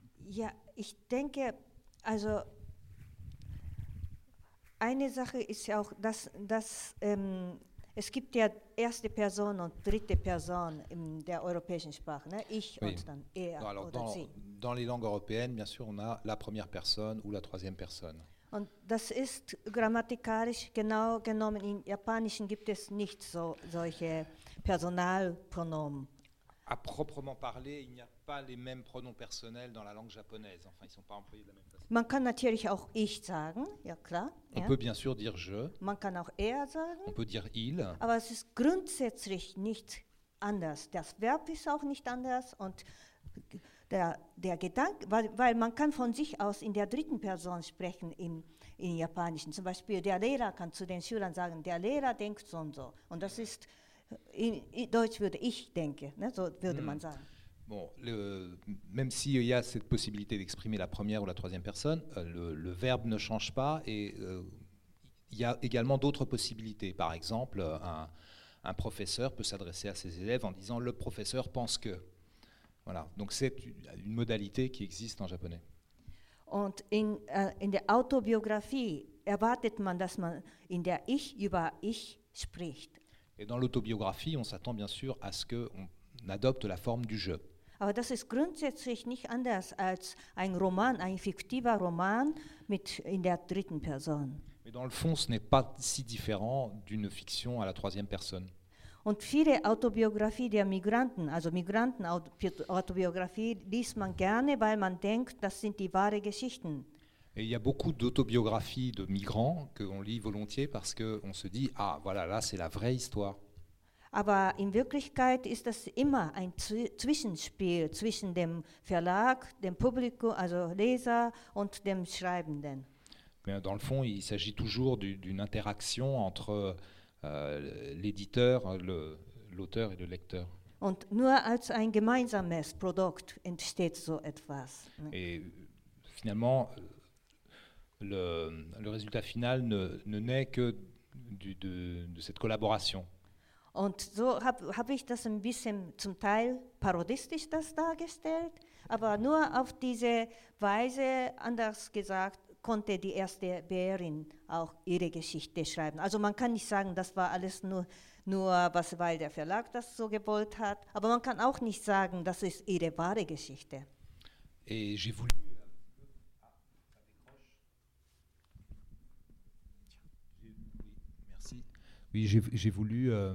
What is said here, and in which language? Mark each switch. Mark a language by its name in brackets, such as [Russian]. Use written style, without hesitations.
[German] Ja, ich denke, also eine Sache ist ja auch, dass es gibt ja erste Person und dritte Person in der europäischen Sprache, ne? Ich [French] oui. [German] Und dann er [French] non, alors [German] oder [French] dans, [German] sie. [French] Dans les langues européennes, bien sûr, on a la première personne ou la troisième personne. [German] Und das ist grammatikalisch genau genommen, im Japanischen gibt es nicht so solche Personalpronomen. [French] À proprement parler, il n'y a pas les mêmes pronoms personnels dans la langue japonaise. Enfin, ils ne sont pas employés de la même façon. [German] Man kann natürlich auch ich sagen, ja klar. [French] On peut bien sûr dire je. [German] Man kann auch er sagen. [French] On peut dire il. [German] Aber es ist grundsätzlich nicht anders. Das Verb ist auch nicht anders und der Gedanke, weil man kann von sich aus in der dritten Person sprechen im Japanischen. Zum Beispiel der Lehrer kann zu den Schülern sagen, der Lehrer denkt so und so. Und das ist in Deutsch würde ich denken, ne? So würde man sagen. [French] Bon, même s'il y a cette possibilité d'exprimer la première ou la troisième personne, le verbe ne change pas et il y a également d'autres possibilités. Par exemple, un professeur peut s'adresser à ses élèves en disant « le professeur pense que ». Voilà, donc c'est une modalité qui existe en japonais. [German] Und in der Autobiographie erwartet man, dass man in der Ich über Ich spricht. [French] Et dans l'autobiographie, on s'attend bien sûr à ce qu'on adopte la forme du jeu. [German] Aber das ist grundsätzlich nicht anders als ein Roman, ein fiktiver Roman mit in der dritten Person. [French] Mais dans le fond, ce n'est pas si différent d'une fiction à la troisième personne. [German] Und viele Autobiographie der Migranten, also Migranten Autobiographie, liest man gerne, weil man denkt, das sind die wahre Geschichten. [French] Et il y a beaucoup d'autobiographies de migrants que l'on lit volontiers parce qu'on se dit « Ah, voilà, là, c'est la vraie histoire. » [German] Aber in Wirklichkeit ist das immer ein Zwischenspiel zwischen dem Verlag, dem Publikum, also Leser und dem Schreibenden. [French] Mais dans le fond, il s'agit toujours d'une interaction entre l'éditeur, l'auteur et le lecteur. [German] Und nur als ein gemeinsames Produkt entsteht so etwas. [French] Et finalement... Le résultat final ne naît que de cette collaboration. [German] Und so hab ich das ein bisschen zum Teil parodistisch das dargestellt, aber nur auf diese Weise, anders gesagt, konnte die erste Bärin auch ihre Geschichte schreiben. Also man kann nicht sagen, das war alles nur was, weil der Verlag das so gewollt hat, aber man kann auch nicht sagen, das ist ihre wahre Geschichte. [French] Et j'ai voulu Oui, j'ai voulu